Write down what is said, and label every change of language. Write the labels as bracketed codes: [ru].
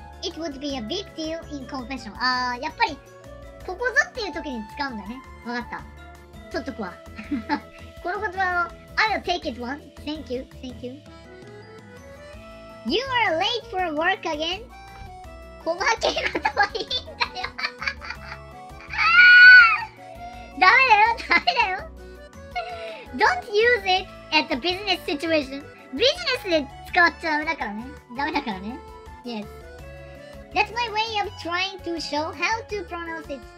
[en] It would be a big deal in confession. [ja] ああ、やっぱりここぞっていう時に使うんだね。わかった。取っとくわ。この言葉を [en] I'll take it one. Thank you. You are late for work again. [ja] 細かい言葉はいいんだよ。ダメだよ。 [en] Don't use it at the business situation. [ja] ビジネスで使っちゃダメだからね。 [en] Yes. That's my way of trying to show how to pronounce it.